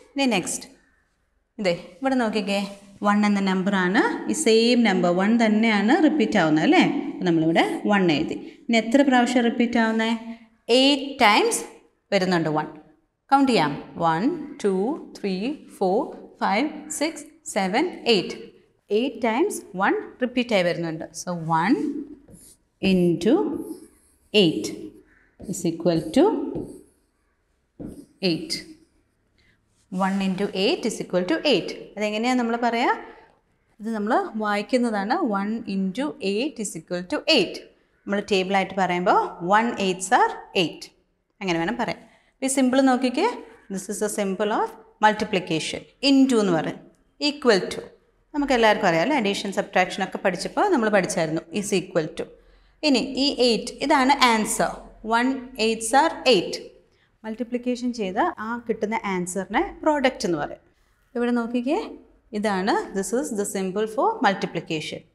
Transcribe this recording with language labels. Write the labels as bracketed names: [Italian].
[Malayalam] ഇനി നെക്സ്റ്റ്, ഇതേ ഇവിടെ നോക്കിക്കേ, 1 എന്ന നമ്പറാണ് ഈ സെയിം നമ്പർ. 1 തന്നെയാണ് റിപ്പീറ്റ് ആവുന്നത് അല്ലേ. അപ്പോൾ നമ്മളിവിടെ 1 എഴുതി. ഇനി എത്ര പ്രാവശ്യം റിപ്പീറ്റ് ആവുന്നേ? 8 times വരുന്നുണ്ട് 1. കൗണ്ട് ചെയ്യാം. 1, 2, 3, 4, 5, 6, [English] seven, eight. Eight times one repeat [Malayalam] ആയി വരുന്നുണ്ട്. [English] So one into eight is equal to eight. One into eight is equal to eight. [Malayalam] അതെങ്ങനെയാണ് നമ്മൾ പറയുക? ഇത് നമ്മൾ വായിക്കുന്നതാണ് [English] one into eight is equal to eight. [Malayalam] നമ്മൾ ടേബിൾ ആയിട്ട് പറയുമ്പോൾ [English] one eights are eight. [Malayalam] അങ്ങനെ വേണം പറയാം. ഇപ്പം ഈ സിമ്പിൾ നോക്കിക്കേ. [English] This is a symbol of multiplication. [Malayalam] Into എന്ന് പറയും. Equal to. നമുക്കെല്ലാവർക്കും അറിയാമല്ലോ, അഡീഷൻ സബ്ട്രാക്ഷൻ ഒക്കെ പഠിച്ചപ്പോൾ നമ്മൾ പഠിച്ചായിരുന്നു ഇസ് ഈക്വൽ ടു. ഇനി ഈ എയ്റ്റ്, ഇതാണ് answer. [English] One eights are eight. [Malayalam] Multiplication ചെയ്ത ആ കിട്ടുന്ന ആൻസറിനെ പ്രോഡക്റ്റ് എന്ന് പറയും. ഇവിടെ നോക്കിക്കേ, ഇതാണ് [English] This is the simple four multiplication.